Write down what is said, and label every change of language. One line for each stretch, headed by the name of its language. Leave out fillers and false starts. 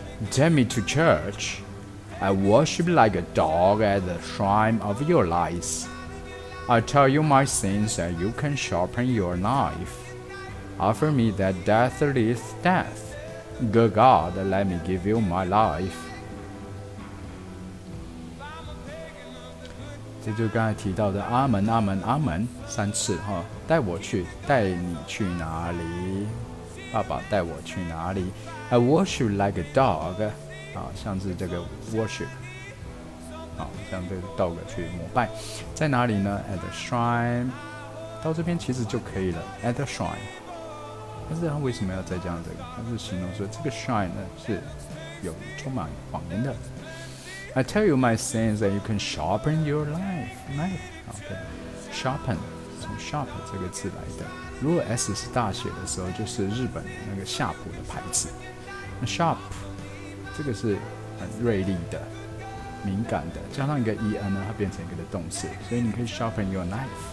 English: Take me to church. I worship like a dog at the shrine of your lies. I tell you my sins and you can sharpen your knife. Offer me that death is death. Good God, let me give you my life.
Chinese: 这就刚才提到的阿门阿门阿门三次哈，带我去，带你去哪里？爸爸带我去哪里 ？
English: I worship like a dog，
Chinese: 啊，像是这个 worship， 啊，像这个 dog 去膜拜，在哪里呢 ？
English: At the shrine，
Chinese: 到这边其实就可以了。
English: At the shrine，
Chinese: 但是他为什么要再讲这个？他是形容说这个 shrine 呢是有充满谎言的。
English: I tell you my sins that you can sharpen your knife， OK， sharpen。
Chinese: 从 sharp 这个字来的，如果 S 是大写的时候，就是日本那个夏普的牌子。那 sharp 这个是很锐利的、敏感的，加上一个 en 呢，它变成一个的动词，所以你可以
English: sharpen your knife。